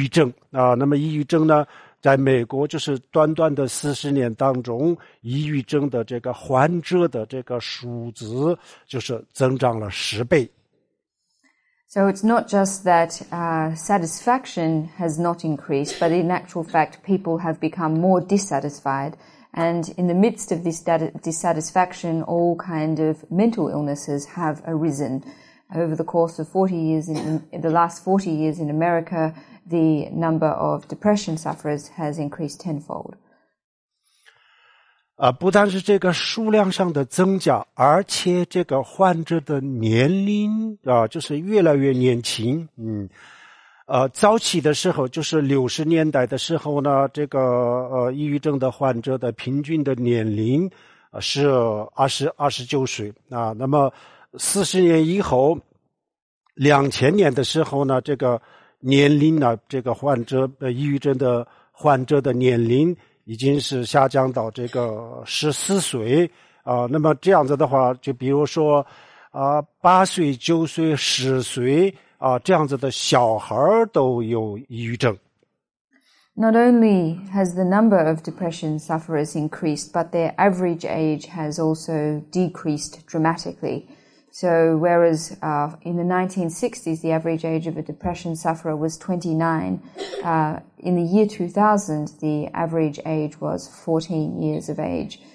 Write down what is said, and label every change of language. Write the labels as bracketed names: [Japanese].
[Chinese] 他不但是这个他们的幸福感和这个对生活的满意度不但是没有增长，而且就是对生活越来越不满足，然后就是因为对生活不满足不满意，所以在这个过程当中产生了太多太多的这个心灵的疾病，比如说典型的就是抑郁症，那么抑郁症呢， 在美国就是短短的40年当中，抑郁症的这个患者的这个数字就是增长了10倍。 [English] So it's not just that satisfaction has not increased, but in actual fact, people have become more dissatisfied. And in the midst of this dissatisfaction, all kind of mental illnesses have arisen. Over the course of 40 years, in the last 40 years in America, the number of depression sufferers has increased tenfold. [Chinese] 不但是这个数量上的增加，而且这个患者的年龄就是越来越年轻。早期的时候，就是60年代的时候呢，这个抑郁症的患者的平均的年龄是29岁啊。那么40年以后，2000年的时候呢，这个年龄呢，这个患者抑郁症的患者的年龄已经是下降到这个14岁啊。那么这样子的话，就比如说啊，8岁、9岁、10岁啊，这样子的小孩都有抑郁症。 [English] Not only has the number of depression sufferers increased, but their average age has also decreased dramatically. So whereas in the 1960s, the average age of a depression sufferer was 29, in the year 2000, the average age was 14 years of age.